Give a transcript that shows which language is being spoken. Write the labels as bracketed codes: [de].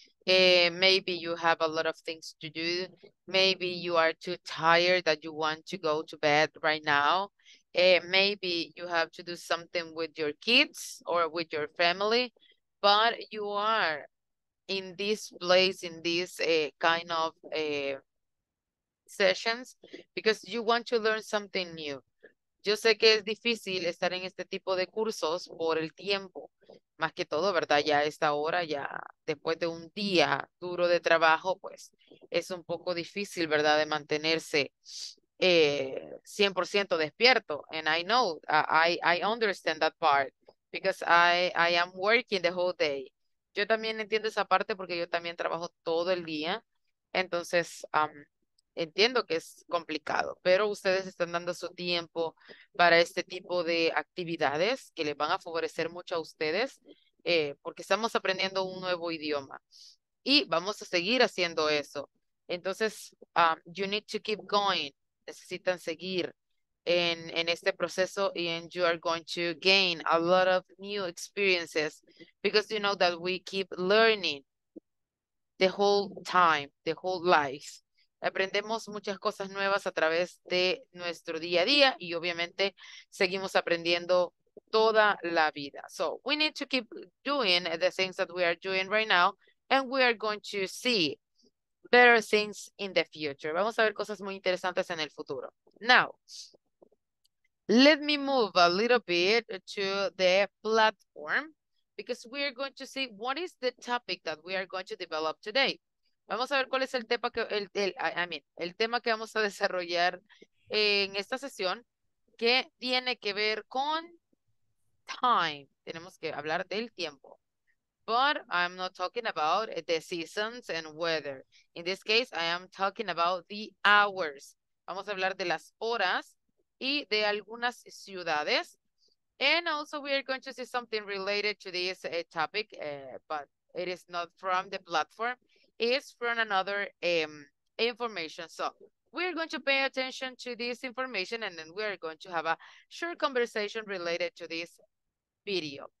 [en] Maybe you have a lot of things to do. Maybe you are too tired that you want to go to bed right now. Maybe you have to do something with your kids or with your family, but you are in this place, in this kind of sessions, because you want to learn something new. [es] Yo sé que es difícil estar en este tipo de cursos por el tiempo, más que todo, ¿verdad? Ya a esta hora, ya después de un día duro de trabajo, pues es un poco difícil, ¿verdad?, de mantenerse 100% despierto. [en] And I know, I understand that part, because I am working the whole day. [es] Yo también entiendo esa parte porque yo también trabajo todo el día. Entonces, entiendo que es complicado, pero ustedes están dando su tiempo para este tipo de actividades que les van a favorecer mucho a ustedes, porque estamos aprendiendo un nuevo idioma y vamos a seguir haciendo eso. Entonces, [en] you need to keep going. [es] Necesitan seguir en este proceso, [en] and you are going to gain a lot of new experiences because you know that we keep learning the whole time, the whole life. [es] Aprendemos muchas cosas nuevas a través de nuestro día a día y obviamente seguimos aprendiendo toda la vida. [en] So we need to keep doing the things that we are doing right now, and we are going to see better things in the future. [es] Vamos a ver cosas muy interesantes en el futuro. [en] Now, let me move a little bit to the platform because we are going to see what is the topic that we are going to develop today. [es] Vamos a ver cuál es el tema que el tema que vamos a desarrollar en esta sesión, que tiene que ver con time. Tenemos que hablar del tiempo. [en] But I'm not talking about the seasons and weather. In this case, I am talking about the hours. [es] Vamos a hablar de las horas y de algunas ciudades. [en] And also we are going to see something related to this topic, but it is not from the platform. It's from another information. So we're going to pay attention to this information and then we're going to have a short conversation related to this video.